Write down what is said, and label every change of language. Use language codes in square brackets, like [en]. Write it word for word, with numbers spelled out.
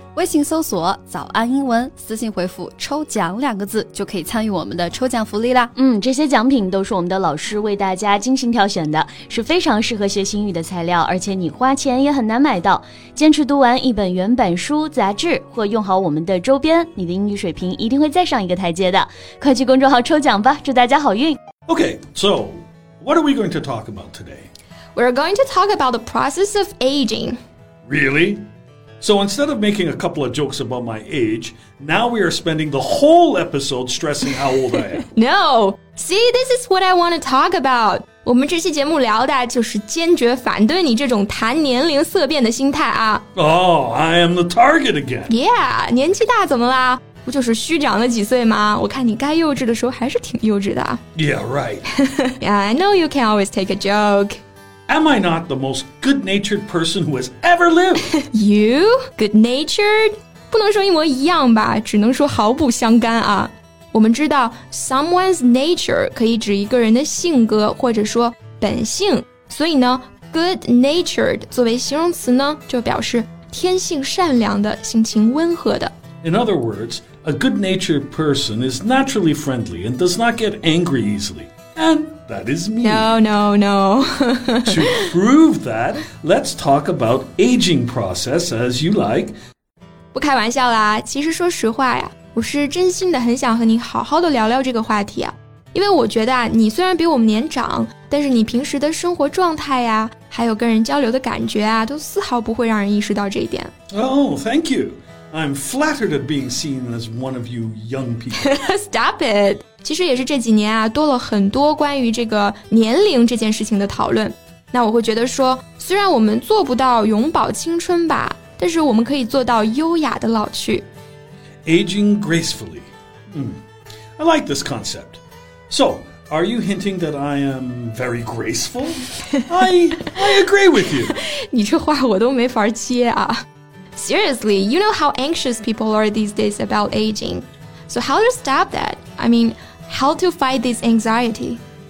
[zh] 微信搜索早安英文，私信回复抽奖两个字就可以参与我们的抽奖福利啦。嗯，这些奖品都是我们的老师为大家精心挑选的，是非常适合学习英语的材料，而且你花钱也很难买到。坚持读完一本原版书、杂志或用好我们的周边，你的英语水平一定会再上一个台阶的。快去公众号抽奖吧，祝大家好运。 [en] Okay, so what are we going to talk about today? We're going to talk about the process of aging. Really? So instead of making a couple of jokes about my age, now we are spending the whole episode stressing how old I am. No! See, this is what I want to talk about. [zh] 我们这期节目聊的就是坚决反对你这种谈年龄色变的心态啊。 [en] Oh, I am the target again. Yeah, [zh] 年纪大怎么啦？不就是虚长了几岁吗？我看你该幼稚的时候还是挺幼稚的啊。 [en] Yeah, right. Yeah, I know you can always take a joke. Am I not the most good-natured person who has ever lived? You? Good-natured? [zh] 不能说一模一样吧，只能说毫不相干啊。我们知道 [en] someone's nature [zh] 可以指一个人的性格或者说本性，所以呢 [en] good-natured [zh] 作为形容词呢，就表示天性善良的，性情温和的。 [en] In other words, a good-natured person is naturally friendly and does not get angry easily. And... That is me. No, no, no. To prove that, let's talk about aging process as you like. [zh] 不开玩笑啦，其实说实话呀，我是真心的很想和你好好的聊聊这个话题啊，因为我觉得啊，你虽然比我们年长，但是你平时的生活状态呀，还有跟人交流的感觉啊，都丝毫不会让人意识到这一点。 [en] Oh, thank you. I'm flattered at being seen as one of you young people. Stop it. [zh] 其实也是这几年啊，多了很多关于这个年龄这件事情的讨论。那我会觉得说，虽然我们做不到永葆青春吧，但是我们可以做到优雅的老去。 [en] Aging gracefully. Mm. I like this concept. So, are you hinting that I am very graceful? I, I agree with you. [zh] 你这话我都没法接啊。 [en] Seriously, you know how anxious people are these days about aging. So how to stop that? I mean... How to fight this anxiety?